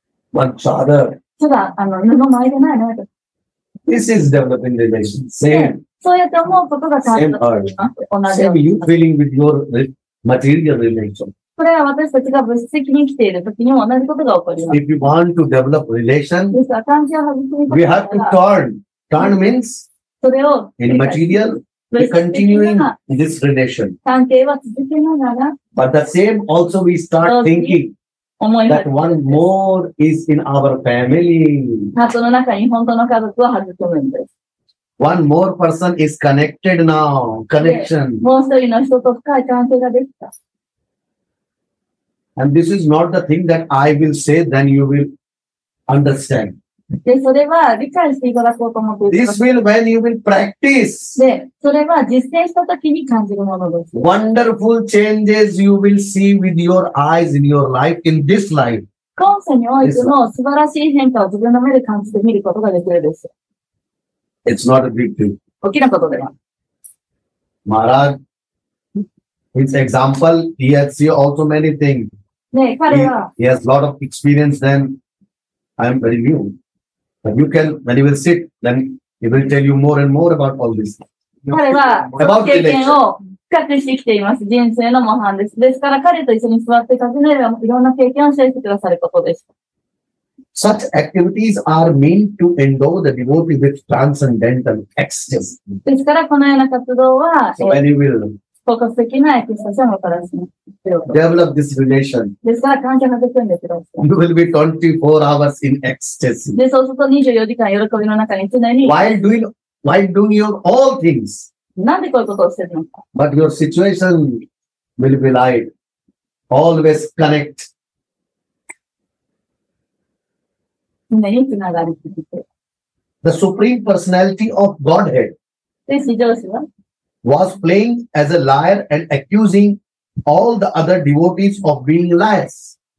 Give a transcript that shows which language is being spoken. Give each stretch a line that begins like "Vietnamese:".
English: One chadder.
Japanese: ただ、布巻いてないね。
English: This is developing relation. Same.
Japanese: そうやって思うことが変わると思います
English: 。 Same you feeling with your material relation.
Japanese: これは私たちが物質的に生きている時にも同じことが起こります。
English: If you want to develop relation, we have to turn. Turn means,
Japanese: それを
English: in material, we continuing this relation.
Japanese: 関係は続けながら。
English: But the same also we start thinking.
Japanese: 思い
English: that one more is in our family.
Japanese: ハートの中に本当の家族を育むんです。
English: One more person is connected now. Connection.
Japanese: もう一人の人と深い関係ができた。
English: And this is not the thing that I will say, then you will understand.
Japanese: で、それは理解していただこうと思っています
English: 。 This will when you will practice.
Japanese: で、それは実践したときに感じるものです。
English: Wonderful changes you will see with your eyes in your life, in this life.
Japanese: 今世においての素晴らしい変化を自分の目で感じてみることができるです。
English: It's not a big deal.
Japanese: 大きなことでは。
English: Maharaj, his example, he has seen also many things.
Japanese: ね、彼は。
English: He has a lot of experience then. I am very new. But you can, when you will sit, then he will tell you more and more about all this. About election. Such activities are meant to endow the devotee with transcendental excess. So when you will develop this relation.
Japanese: ですから関係が出てるんですよ。
English: You will be 24 hours in ecstasy.
Japanese: で、そうすると24時間喜びの中に常に。
English: While doing your all things.
Japanese: なんでこういうことをしてるのか。
English: But your situation will be like always connect.
Japanese: 常につながりつ
English: つ。The supreme personality of Godhead.
Japanese: で、至上主は。
English: Was playing as a liar and accusing all the other devotees of being liars.